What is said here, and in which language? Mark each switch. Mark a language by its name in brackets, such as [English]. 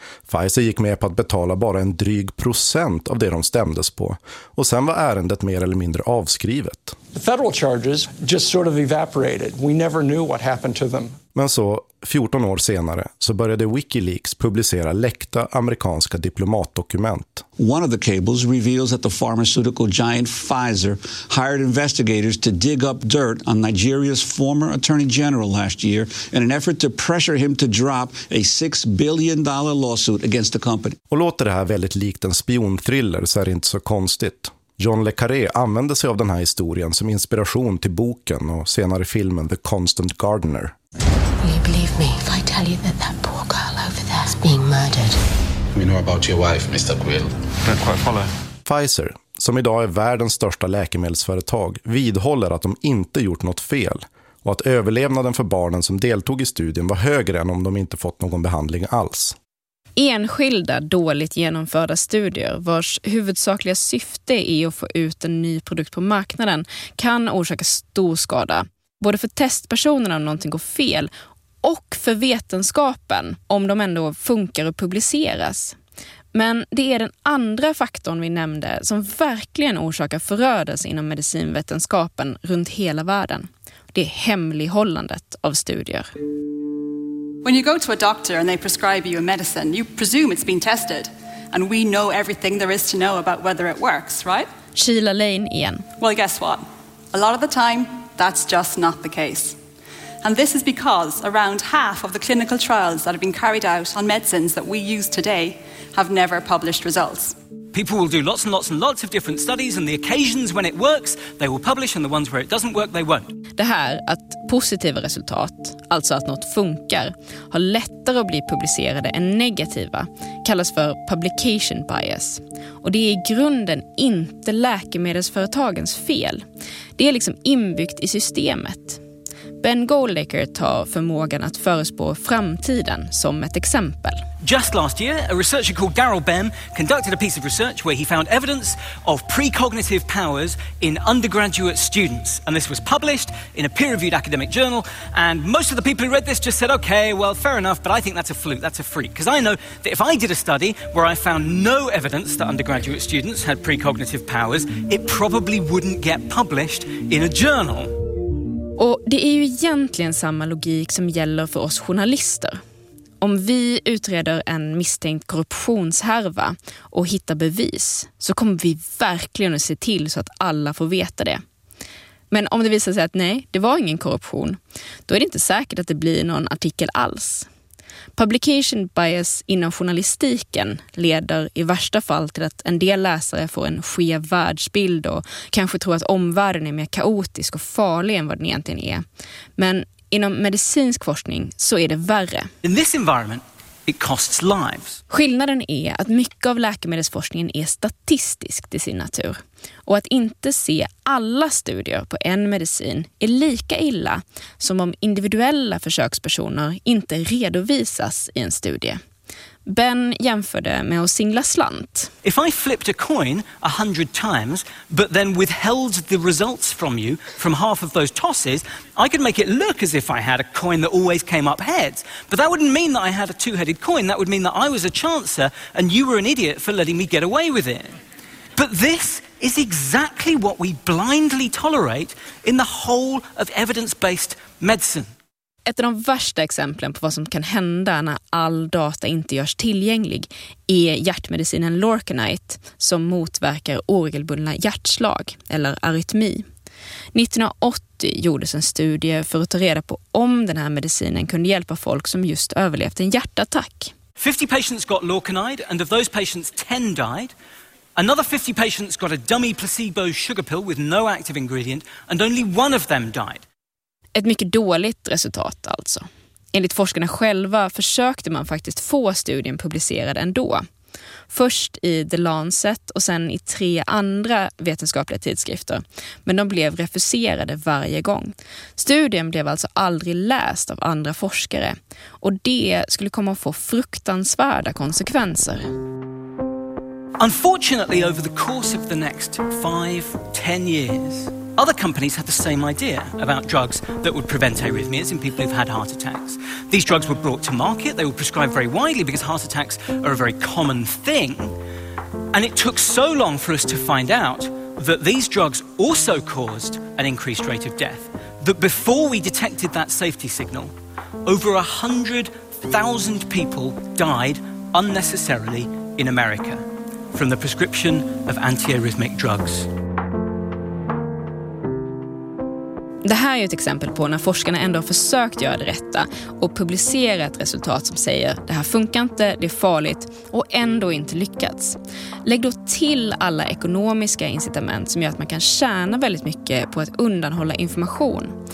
[Swedish] Pfizer gick med på att betala bara en dryg procent av det de stämdes på och sen var ärendet mer eller mindre avskrivet. [English] The federal charges just sort of evaporated. We never knew what happened to them. [Swedish] Men så, 14 år senare, så började WikiLeaks publicera läckta amerikanska diplomatdokument. [English] One of the cables reveals that the pharmaceutical giant Pfizer hired investigators to dig up dirt on Nigeria's former attorney general last year in an effort to pressure him to drop a $6 billion lawsuit against the company. [Swedish] Och låter det här väldigt likt en spionthriller så är det inte så konstigt. John le Carré använde sig av den här historien som inspiration till boken och senare filmen The Constant Gardener. [English] Will you believe me if I tell you that that poor girl over there is being murdered? We know about your wife, Mr. Quill. Don't quite follow. [Swedish] Pfizer, som idag är världens största läkemedelsföretag, vidhåller att de inte gjort något fel och att överlevnaden för barnen som deltog i studien var högre än om de inte fått någon behandling alls. enskilda dåligt genomförda studier vars huvudsakliga syfte är att få ut en ny produkt på marknaden kan orsaka stor skada. Både för testpersonerna om någonting går fel och för vetenskapen om de ändå funkar och publiceras. Men det är den andra faktorn vi nämnde som verkligen orsakar förödelse inom medicinvetenskapen runt hela världen. Det är hemlighållandet av studier. [English] When you go to a doctor and they prescribe you a medicine, you presume it's been tested. And we know everything there is to know about whether it works, right? [Swedish] Sheila Lane igen. [English] Well, guess what? A lot of the time, that's just not the case. And this is because around half of the clinical trials that have been carried out on medicines that we use today have never published results. People will do lots and lots and lots of different studies, and the occasions when it works, they will publish, and the ones where it doesn't work, they won't. [Swedish] Det här att positiva resultat, alltså att något funkar, har lättare att bli publicerade än negativa, kallas för publication bias. Och det är i grunden inte läkemedelsföretagens fel. Det är liksom inbyggt i systemet. Ben Goldacre tar förmågan att förespå framtiden som ett exempel. Just last year, a researcher called Daryl Bem conducted a piece of research where he found evidence of precognitive powers in undergraduate students. And this was published in a peer-reviewed academic journal. And most of the people who read this just said, okay, well, fair enough, but I think that's a fluke, that's a freak. Because I know that if I did a study where I found no evidence that undergraduate students had precognitive powers, it probably wouldn't get published in a journal. Och det är ju egentligen samma logik som gäller för oss journalister. Om vi utreder en misstänkt korruptionshärva och hittar bevis så kommer vi verkligen att se till så att alla får veta det. Men om det visar sig att nej, det var ingen korruption, då är det inte säkert att det blir någon artikel alls. Publication bias inom journalistiken leder i värsta fall till att en del läsare får en skev världsbild och kanske tror att omvärlden är mer kaotisk och farlig än vad den egentligen är. Men inom medicinsk forskning så är det värre. [English] In this environment, it costs lives. [Swedish] Skillnaden är att mycket av läkemedelsforskningen är statistisk till sin natur. Och att inte se alla studier på en medicin är lika illa som om individuella försökspersoner inte redovisas i en studie. Ben jämförde med att singla slant. [English] If I flipped a coin 100 times, but then withheld the results from you from half of those tosses, I could make it look as if I had a coin that always came up heads. But that wouldn't mean that I had a two-headed coin. That would mean that I was a chancer and you were an idiot for letting me get away with it. But this is exactly what we blindly tolerate in the whole of evidence-based medicine. [Swedish] Ett av de värsta exemplen på vad som kan hända när all data inte görs tillgänglig är hjärtmedicinen Lorcanite som motverkar oregelbundna hjärtslag eller arytmi. 1980 gjordes en studie för att ta reda på om den här medicinen kunde hjälpa folk som just överlevt en hjärtattack. [English] 50 patients got Lorcanite and of those patients 10 died. Another 50 patients got a dummy placebo sugar pill with no active ingredient and only one of them died. [Swedish] Ett mycket dåligt resultat alltså. Enligt forskarna själva försökte man faktiskt få studien publicerad ändå. Först i The Lancet och sen i 3 andra vetenskapliga tidskrifter. Men de blev refuserade varje gång. Studien blev alltså aldrig läst av andra forskare. Och det skulle komma att få fruktansvärda konsekvenser. [English] Unfortunately, over the course of the next 5-10 years... Other companies had the same idea about drugs that would prevent arrhythmias in people who've had heart attacks. These drugs were brought to market, they were prescribed very widely because heart attacks are a very common thing. And it took so long for us to find out that these drugs also caused an increased rate of death that before we detected that safety signal, over 100,000 people died unnecessarily in America from the prescription of antiarrhythmic drugs. [Swedish] Det här är ett exempel på när forskarna ändå har försökt göra det rätta och publicera ett resultat som säger det här funkar inte, det är farligt och ändå inte lyckats. Lägg då till alla ekonomiska incitament som gör att man kan tjäna väldigt mycket på att undanhålla information.